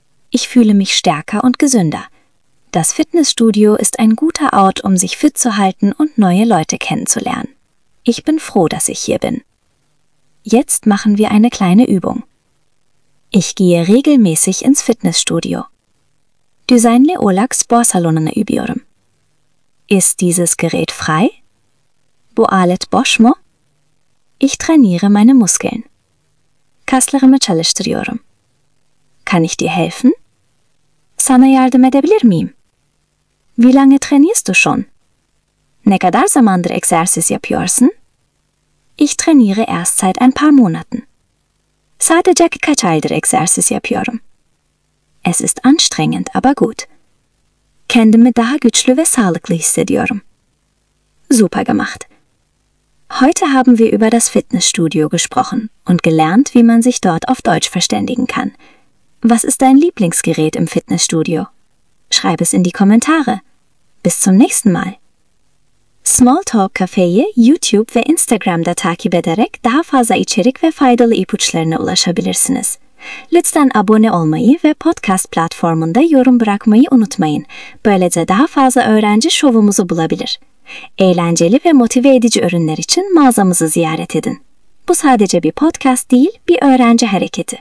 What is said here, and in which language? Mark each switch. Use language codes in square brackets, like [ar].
[de] Ich fühle mich stärker und gesünder. Das Fitnessstudio ist ein guter Ort, um sich fit zu halten und neue Leute kennenzulernen. Ich bin froh, dass ich hier bin. Jetzt machen wir eine kleine Übung. Ich gehe regelmäßig ins Fitnessstudio. [tr] Düzenli olarak spor salonuna gidiyorum. [de] Ist dieses Gerät frei? [tr] Bu alet boş mu? [de] Ich trainiere meine Muskeln. [tr] Kaslarımı çalıştırıyorum. [de] Kann ich dir helfen? [tr] Sana yardım edebilir miyim? [de] Wie lange trainierst du schon? [tr] Ne kadar zamandır egzersiz yapıyorsun? [de] Ich trainiere erst seit ein paar Monaten. [tr] Sadece kaç aydır egzersiz yapıyorum. [de] Es ist anstrengend, aber gut. [tr] Kendimi daha güçlü ve sağlıklı hissediyorum. [de] Super gemacht. Heute haben wir über das Fitnessstudio gesprochen und gelernt, wie man sich dort auf Deutsch verständigen kann. Was ist dein Lieblingsgerät im Fitnessstudio? Schreib es in die Kommentare. Bis zum nächsten Mal. [tr] Smalltalk Cafe'ye YouTube ve Instagram'da takip ederek daha fazla içerik ve faydalı ipuçlarına ulaşabilirsiniz. Lütfen abone olmayı ve podcast platformunda yorum bırakmayı unutmayın. Böylece daha fazla öğrenci şovumuzu bulabilir. Eğlenceli ve motive edici ürünler için mağazamızı ziyaret edin. Bu sadece bir podcast değil, bir öğrenci hareketi.